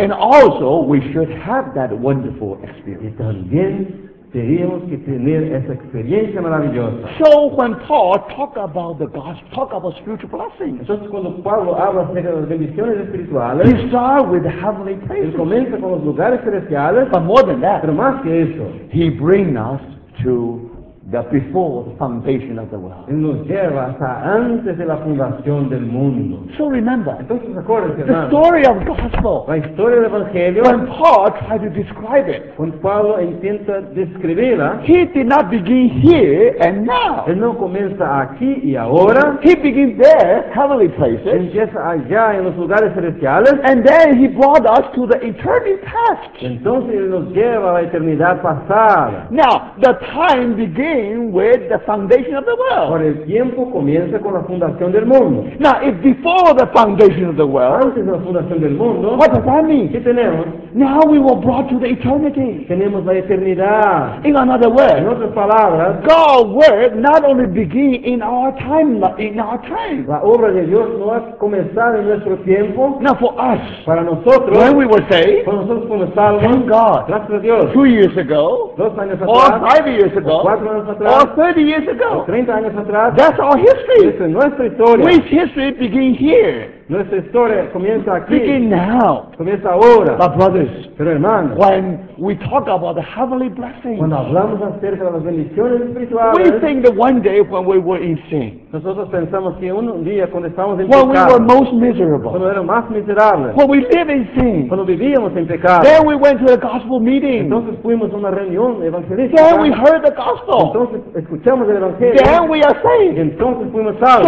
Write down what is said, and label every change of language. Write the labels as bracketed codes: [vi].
[en] And also we should have that wonderful experience. [es] Y también teníamos que tener esa experiencia maravillosa. [en] So when Paul talk about the gospel, talk about spiritual blessings. [es] Entonces cuando Pablo habla acerca de las bendiciones espirituales, [en] he starts with heavenly places. [es] Él comienza con los lugares celestiales. [en] But more than that, [es] pero más que eso, [en] he brings us to that before the foundation of the world. [es] Nos lleva hasta antes de la fundación del mundo. [en] So remember, [es] entonces acuérdense, [en] the [es] hermano, [en] story of gospel, [es] la historia del evangelio, [en] when Paul tried to describe it, [es] when Pablo intenta describirla, [en] he did not begin here and now. [es] Él no comienza aquí y ahora. [en] He begins there, heavenly places. [es] Él empieza allá en los lugares celestiales. [en] And then he brought us to the eternity past. [es] Entonces él nos lleva a la eternidad pasada. [en] Now the time begins with the foundation of the world. [es] Ahora, el tiempo comienza con la fundación del mundo. [en] Now, if before the foundation of the world, [es] antes de la fundación del mundo, [en] what does that mean? [es] ¿Qué tenemos? [en] Now we were brought to the eternity. [es] Tenemos la eternidad. [en] In another word, [es] en otras palabras, [en] God's word not only begin in our time, but in our time. [es] La obra de Dios no ha comenzado en nuestro tiempo. [en] Now for us, [es] para nosotros, [en] when we were saved, [es] cuando nosotros fuimos salvos, [en] thank God, [es] gracias a Dios, [en] 2 years ago, [es] 2 años atrás, [en] or 5 years ago, [es] atrás, [en] or 30 years ago, [es] 30 años atrás, [en] that's our history. [es] Es nuestra historia. [en] Which history begins here? [es] Nuestra historia comienza aquí. [en] Begin now. [es] Comienza ahora. [en] But brothers, [es] pero hermanos, [en] when we talk about the heavenly blessings, [es] cuando hablamos acerca de las bendiciones espirituales, [en] we think that one day when we were in sin, [es] nosotros pensamos que un día cuando estábamos en [en] when [es] pecado, [en] when we were most miserable, [es] cuando éramos más miserables, [en] when we lived in sin, [es] cuando vivíamos en pecado, [en] then we went to a gospel meeting, [es] entonces fuimos a una reunión evangelística, [en] then we heard the gospel, [es] entonces escuchamos el evangelio, [en] then we are saved, [es] entonces fuimos salvos.